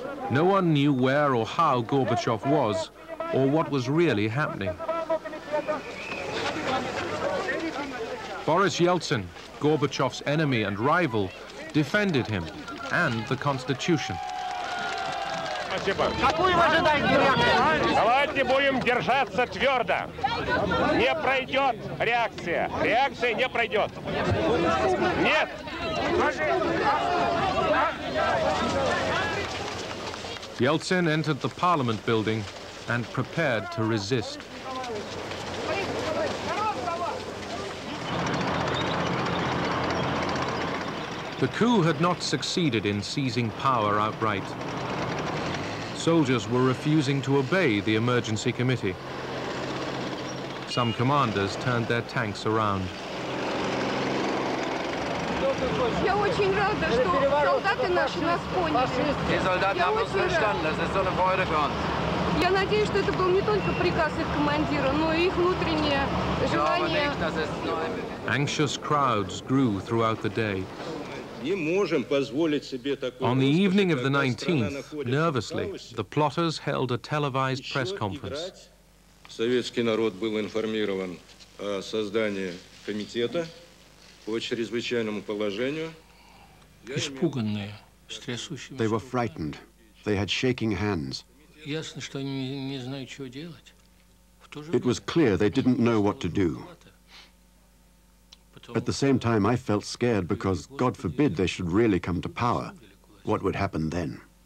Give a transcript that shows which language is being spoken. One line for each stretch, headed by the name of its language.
English: No one knew where or how Gorbachev was, or what was really happening. Boris Yeltsin, Gorbachev's enemy and rival, defended him and the Constitution.
Russian: Давайте будем держаться твердо. Не пройдет реакция. Реакция не пройдет. Нет.
English: Yeltsin entered the Parliament building and prepared to resist. The coup had not succeeded in seizing power outright. Soldiers were refusing to obey the emergency committee. Some commanders turned their tanks around.
Russian: Я очень рада, что солдаты наши нас поняли.
German: Die Soldaten haben uns verstanden. Das ist so eine Freude für uns.
Russian: Я надеюсь, что это был не только приказ их командира, но и их внутреннее желание.
English: Anxious crowds grew throughout the day. On the evening of the 19th, nervously, the plotters held a televised press conference.
Russian: Советский народ был информирован о создании комитета по чрезвычайному положению. Испуганные, с трясущимися.
English: They were frightened. They had shaking hands.
Russian: Ясно, что они не знают, что делать.
English: It was clear they didn't know what to do. At the same time, I felt scared because, God forbid, they should really come to power. What would happen then?